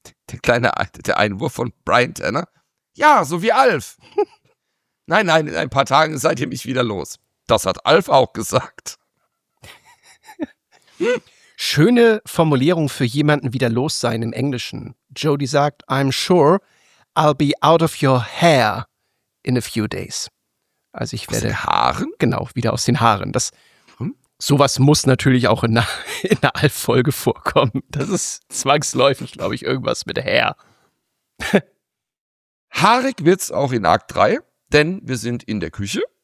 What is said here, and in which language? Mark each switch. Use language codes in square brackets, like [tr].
[de] Der kleine, der Einwurf von Brian Tanner. Ja, so wie Alf. Nein, nein, in ein paar Tagen seid ihr mich wieder los. Das hat Alf auch gesagt. Schöne Formulierung für jemanden wieder los sein im Englischen. Jody sagt, [en] I'm sure I'll be out of your hair in a few days. [de] Also ich werde aus den Haaren? Genau, wieder aus den Haaren. Das, sowas muss natürlich auch in der Alf-Folge vorkommen. Das ist zwangsläufig, glaube ich, irgendwas mit hair. Haarig wird's auch in Akt 3, denn wir sind in der Küche.